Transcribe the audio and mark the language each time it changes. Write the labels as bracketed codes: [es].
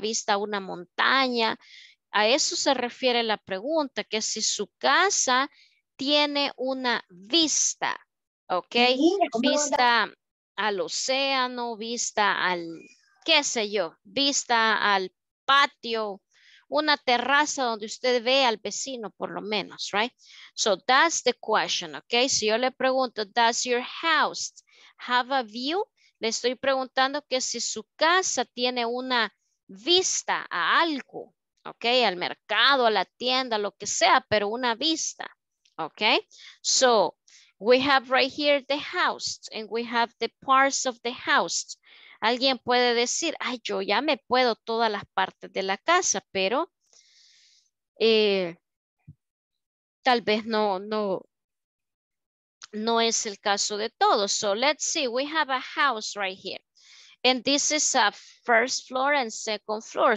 [es] Vista a una montaña. A eso se refiere la pregunta, que si su casa tiene una vista, ¿ok? Vista al océano, vista al, qué sé yo, vista al patio, una terraza donde usted ve al vecino, por lo menos, right? [en] So that's the question, okay? [es] Si yo le pregunto, [en] does your house have a view? [es] Le estoy preguntando que si su casa tiene una vista a algo, okay? Al mercado, a la tienda, lo que sea, pero una vista, okay? [en] So we have right here the house and we have the parts of the house. [es] Alguien puede decir, ay, yo ya me puedo todas las partes de la casa, pero tal vez no es el caso de todos. [en] So let's see, we have a house right here. And this is a first floor and second floor.